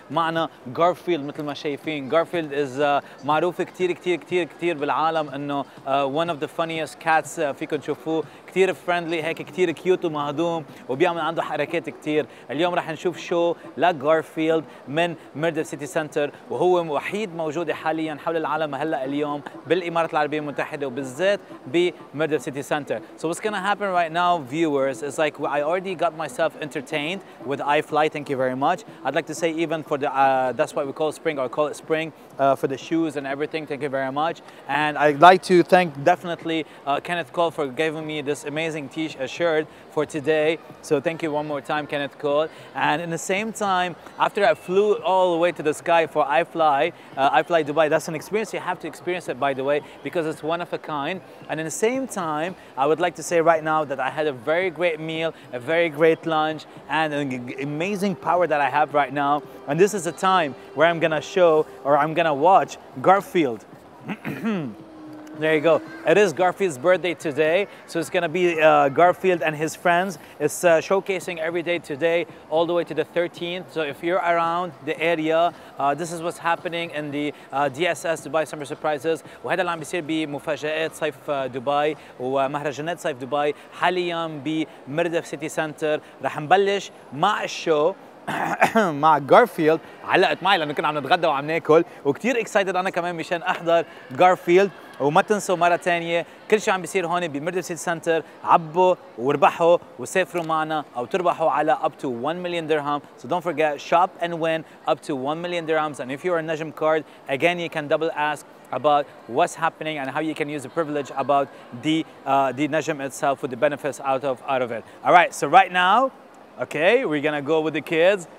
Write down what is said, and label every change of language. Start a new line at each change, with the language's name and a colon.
Arabic: معنا غارفيلد, مثل ما شايفين غارفيلد از معروف كثير كثير كثير كثير بالعالم انه ون اوف ذا فانيست كاتس فيكم تشوفوه, كثير فريندلي هيك كثير كيوت ومهضوم وبيعمل عنده حركات كثير. اليوم راح نشوف شو لغارفيلد من مردف سيتي سنتر, وهو وحيد موجود حاليا حول العالم هلا اليوم بالامارات العربيه المتحده وبالذات بمردف سيتي سنتر.
English: So what's gonna happen right now viewers is like I already got myself entertained with iFly, thank you very much. I'd like to say even for the, that's why we call it spring, or call it spring, for the shoes and everything, thank you very much. And I'd like to thank definitely Kenneth Cole for giving me this amazing shirt for today. So thank you one more time, Kenneth Cole. And in the same time, after I flew all the way to the sky for iFly, iFly Dubai, that's an experience, you have to experience it by the way, because it's one of a kind. And in the same time, I would like to say right now that I had a very great meal, a very great lunch, and an amazing power that I have right now. And this is a time where I'm gonna show, or I'm gonna watch Garfield. There you go. It is Garfield's birthday today, so it's gonna be Garfield and his friends. It's showcasing every day today, all the way to the 13th. So if you're around the area, this is what's happening in the DSS Dubai Summer Surprises.
Arabic: وهذا اللي عم بيصير بمفاجآت صيف دبي ومهرجانات صيف دبي حاليا بمردف سيتي سنتر. رح نبلش مع الشو مع Garfield. علقت معي لأنه كنا عم نتغدى وعم ناكل, وكتير excited أنا كمان مشان أحضر Garfield. وما تنسوا مرة تانية كل شيء عم بيصير هون بمردف سيتي سنتر, عبوا وربحوا وسافروا معنا أو تربحوا على up to 1 million درهم.
English: So don't forget, shop and win up to 1 million dirhams. And if you are a Najm card, again you can double ask about what's happening and how you can use the privilege about the Najm itself with the benefits out of it. All right, so right now, okay, we're gonna go with the kids.